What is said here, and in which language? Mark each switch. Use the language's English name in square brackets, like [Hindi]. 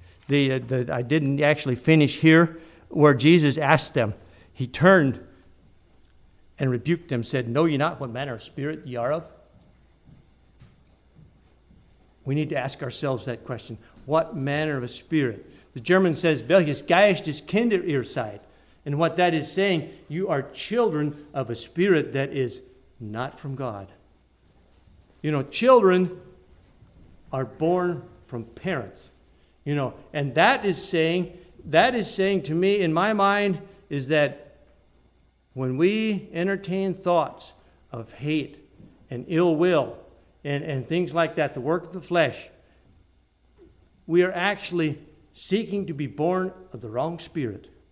[English] I didn't actually finish here, where Jesus asked them. He turned and rebuked them, said, Know ye not what manner of spirit ye are of? We need to ask ourselves that question. What manner of a spirit? The German says, [German] Welches Geist ist Kinder ihr seid? [English] And what that is saying, you are children of a spirit that is not from God. You know, children are born from parents. You know, and that is saying to me, in my mind, is that when we entertain thoughts of hate and ill will, and things like that, the work of the flesh, we are actually seeking to be born of the wrong spirit.